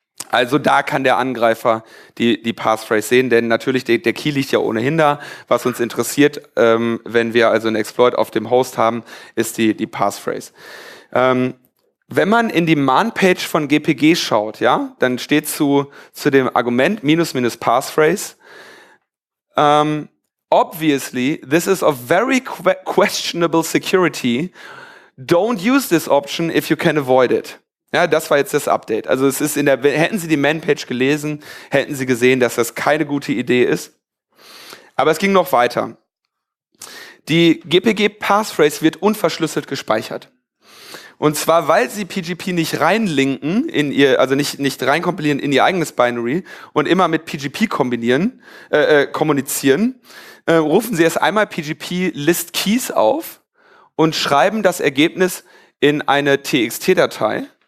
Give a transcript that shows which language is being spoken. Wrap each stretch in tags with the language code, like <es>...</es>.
<de>Also da kann der Angreifer die Passphrase sehen, denn natürlich der Key liegt ja ohnehin da. Was uns interessiert, wenn wir also einen Exploit auf dem Host haben, ist die Passphrase. Wenn man in die Man-Page von GPG schaut, ja, dann steht zu dem Argument minus minus Passphrase.</de> <en>Obviously, this is of very questionable security. Don't use this option if you can avoid it.</en> <de>Ja, das war jetzt das Update. Also es ist in der, hätten Sie die Man-Page gelesen, hätten Sie gesehen, dass das keine gute Idee ist. Aber es ging noch weiter. Die GPG-Passphrase wird unverschlüsselt gespeichert. Und zwar, weil sie PGP nicht reinlinken in ihr, also nicht reinkompilieren in ihr eigenes Binary und immer mit PGP kommunizieren, rufen sie erst einmal PGP List Keys auf und schreiben das Ergebnis in eine TXT-Datei,</de>